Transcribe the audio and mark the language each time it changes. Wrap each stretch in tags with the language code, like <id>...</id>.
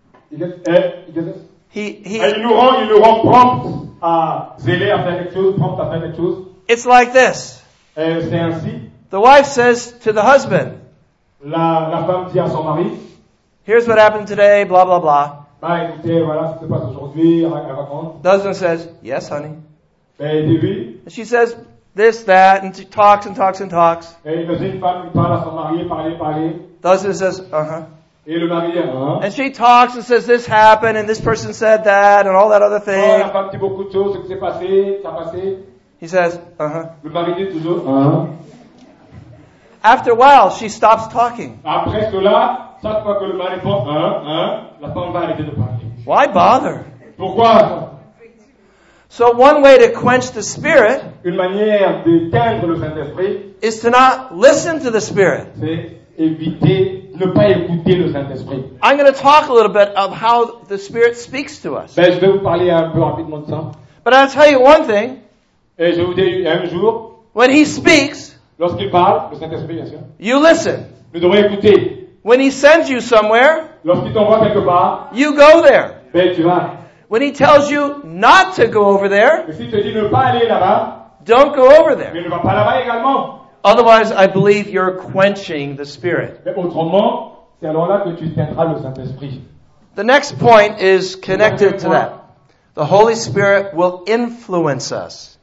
<fr>Il nous rend prompt à zéler, à faire quelque chose, prompt à faire quelque chose.</fr> <en>It's like this.</en> <fr>C'est ainsi.</fr> <en>The wife says to the husband,</en> <fr>la femme dit à son mari,</fr> <en>here's what happened today, blah, blah, blah.</en> <fr>Bah, écoutez, voilà ce qui se passe aujourd'hui, elle raconte.</fr> <en>The husband says, yes, honey.</en> <fr>Ben, il dit oui.</fr> <en>And she says this, that, and she talks and talks and talks.</en> <fr>Et la jeune femme parle à son mari, parler.</fr> <en>The husband says, uh-huh.</en> <fr>Et le mari, uh-huh.</fr> <en>And she talks and says, this happened, and this person said that, and all that other thing.</en> <fr>Oh, la femme dit beaucoup de choses, ce qui s'est passé, ça a passé.</fr> <en>He says, uh-huh.</en> <fr>Le mari dit toujours, uh-huh.</fr> <en>After a while, she stops talking.</en> <fr>Après cela, chaque fois que le mari parle, la femme va arrêter de parler.</fr> <en>Why bother?</en> <fr>Pourquoi?</fr> <en>So one way to quench the spirit,</en> <fr>une manière d'éteindre le Saint-Esprit,</fr> <en>is to not listen to the spirit.</en> <fr>C'est éviter, ne pas écouter le Saint-Esprit.</fr> <en>I'm going to talk a little bit of how the spirit speaks to us.</en> <fr>Ben, je vais vous parler un peu rapidement de ça.</fr> <en>But I'll tell you one thing.</en> <fr>Et je vous dis, un jour,</fr> <en>when he speaks,</en> <fr>lorsqu'il parle, le Saint-Esprit, bien sûr,</fr> <en>you listen.</en> <fr>Vous devrez écouter.</fr> <en>When he sends you somewhere,</en> <fr>lorsqu'il t'envoie quelque part,</fr> <en>you go there.</en> <fr>Ben, tu vas.</fr> <en>When he tells you not to go over there,</en> <fr>et s'il te dit ne pas aller là-bas,</fr> <en>don't go over there.</en> <fr>Mais ne va pas là-bas également.</fr> <en>Otherwise, I believe you're quenching the spirit.</en> <fr>Et autrement, c'est alors là que tu éteindras le Saint-Esprit.</fr> <en>The next point is connected to that. The Holy Spirit will influence us.</en>